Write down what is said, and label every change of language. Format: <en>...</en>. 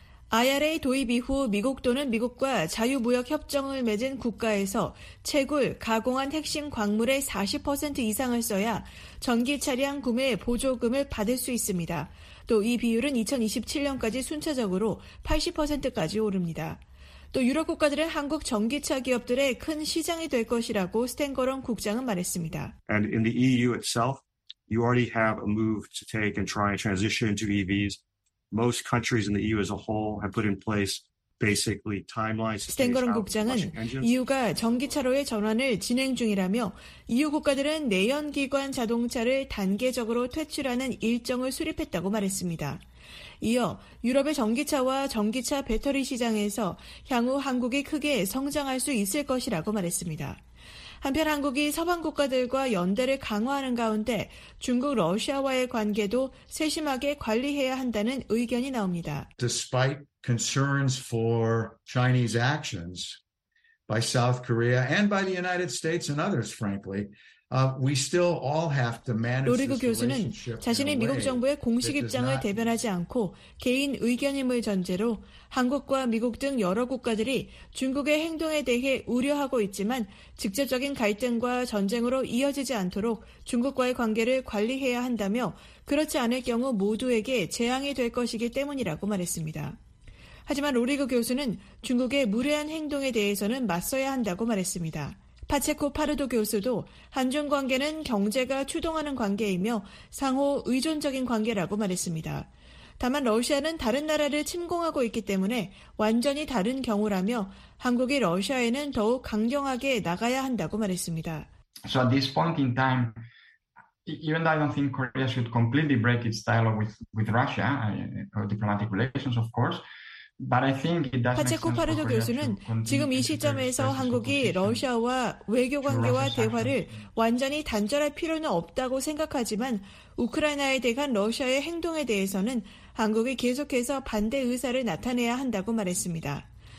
<ko>IRA 도입 이후 미국 또는 미국과 자유무역협정을 맺은 국가에서 채굴, 가공한 핵심 광물의 40% 이상을 써야 전기차량 구매 보조금을 받을 수 있습니다. 또 이 비율은 2027년까지 순차적으로 80%까지 오릅니다. 또 유럽 국가들은 한국 전기차 기업들의 큰 시장이 될 것이라고 스텐거런 국장은 말했습니다.</ko> <en>And in the EU itself, you already have a move to take and try and transition to EVs. Most countries in the EU as a whole have put in place basically timelines.</en> <ko>스텐거런 국장은 EU가 전기차로의 전환을 진행 중이라며 EU 국가들은 내연기관 자동차를 단계적으로 퇴출하는 일정을 수립했다고 말했습니다. 이어 유럽의 전기차와 전기차 배터리 시장에서 향후 한국이 크게 성장할 수 있을 것이라고 말했습니다. 한편 한국이 서방 국가들과 연대를 강화하는 가운데 중국 러시아와의 관계도 세심하게 관리해야 한다는 의견이 나옵니다.</ko> <en>Despite concerns for Chinese actions by South Korea and by the United States and others, frankly, we still all have to manage.</en> <ko>로리그 교수는 자신이 미국 정부의 공식 입장을 대변하지 않고 개인 의견임을 전제로 한국과 미국 등 여러 국가들이 중국의 행동에 대해 우려하고 있지만 직접적인 갈등과 전쟁으로 이어지지 않도록 중국과의 관계를 관리해야 한다며 그렇지 않을 경우 모두에게 재앙이 될 것이기 때문이라고 말했습니다. 하지만 로리그 교수는 중국의 무례한 행동에 대해서는 맞서야 한다고 말했습니다. 파체코 파르도 교수도 한중 관계는 경제가 추동하는 관계이며 상호 의존적인 관계라고 말했습니다. 다만 러시아는 다른 나라를 침공하고 있기 때문에 완전히 다른 경우라며 한국이 러시아에는 더욱 강경하게 나가야 한다고 말했습니다.</ko> <en>So at this point in time, even though I don't think Korea should completely break its dialogue with Russia, diplomatic relations, of course.</en> <ko>파체코 파르도 교수는 지금 이 시점에서 한국이 러시아와 외교관계와 대화를 완전히 단절할 필요는 없다고 생각하지만 우크라이나에 대한 러시아의 행동에 대해서는 한국이 계속해서 반대 의사를 나타내야 한다고 말했습니다.</ko>